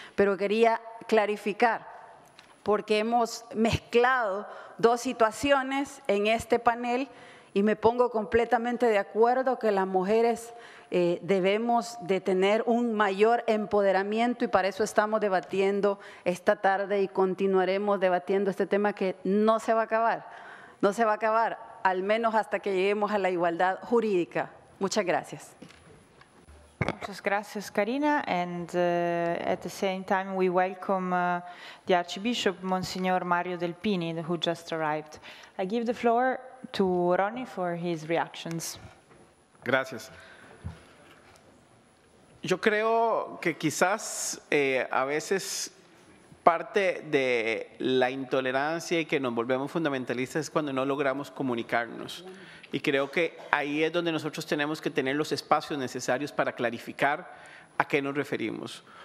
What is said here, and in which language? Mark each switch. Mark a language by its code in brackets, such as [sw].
[es] Pero quería clarificar, porque hemos mezclado dos situaciones en este panel y me pongo completamente de acuerdo que las mujeres debemos de tener un mayor empoderamiento y para eso estamos debatiendo esta tarde y continuaremos debatiendo este tema que no se va a acabar, no se va a acabar, al menos hasta que lleguemos a la igualdad jurídica. Muchas gracias. Muchas gracias, Karina. [en] And at the same time, we welcome the Archbishop, Monsignor Mario Del Pini, who just arrived. I give the floor to Ronnie for his reactions. [es] Gracias. Yo creo que quizás a veces parte de la intolerancia y que nos volvemos fundamentalistas es cuando no logramos comunicarnos. Y creo que ahí es donde nosotros tenemos que tener los espacios necesarios para clarificar a qué nos referimos.